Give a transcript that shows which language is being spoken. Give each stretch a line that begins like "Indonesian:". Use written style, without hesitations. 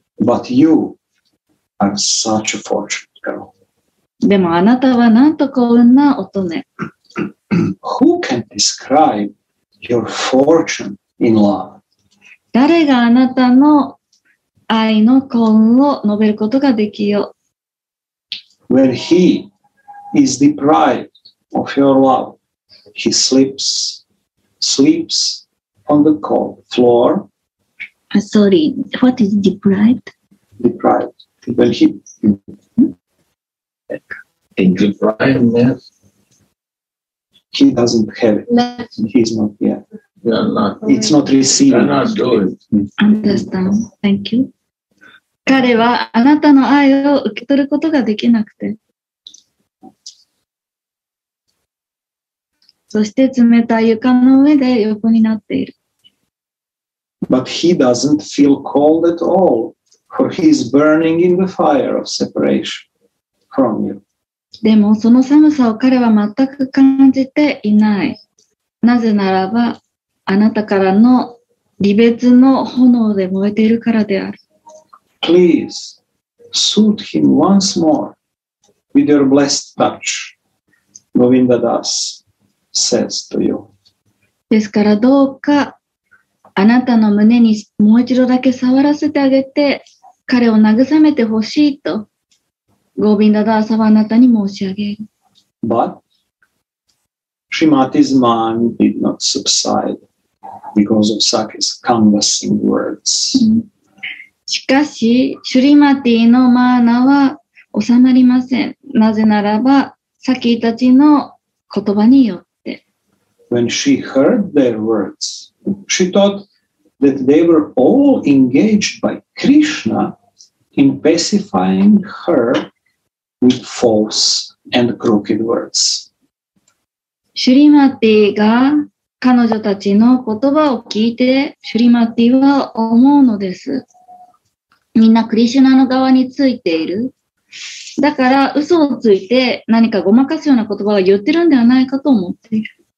English: But you are such a fortunate girl.
Japanese: でもあなたはなんと幸運な乙女。
English: Who can describe your fortune in love?
Japanese: 誰があなたの愛の幸運を述べることができよう。
English: When he is deprived of your love, he sleeps. On the cold floor. Sorry, what is deprived? Deprived. When he in deprivedness, he doesn't have it. He's not yet. Yeah, not. It's not received. They're not doing. Understand. Thank you.
Japanese: 彼はあなたの愛を受け取ることができなくて。そして冷たい床の上で横になっている。
English: But he doesn't feel cold at all, for he is burning in the fire of separation from you.
Japanese: でもその寒さを彼は全く感じていない。なぜならば、あなたからの離別の炎で燃えているからである。
English: Please, soothe him once more with your blessed touch, Govinda Das says to you.
Japanese: ですからどうか、あなたの胸にもう一度だけ触らせてあげて、彼を慰めてほしいと、ゴビンダダーサはあなたに申し上げる。
English: But, Shrimati's mind did not subside because of Sakya's canvassing words.
Japanese: しかし、シュリマティのマーナは収まりません。なぜならば、サキたちの言葉によって。
English: When she heard their words,She thought that they were all engaged by Krishna in pacifying her with false and crooked words.
Japanese: シュリマティが彼女たちの言葉を聞いて、シュリマティは思うのです。みんなクリシュナの側についている。だから嘘をついて何かごまかすような言葉を言ってるんではないかと思っている。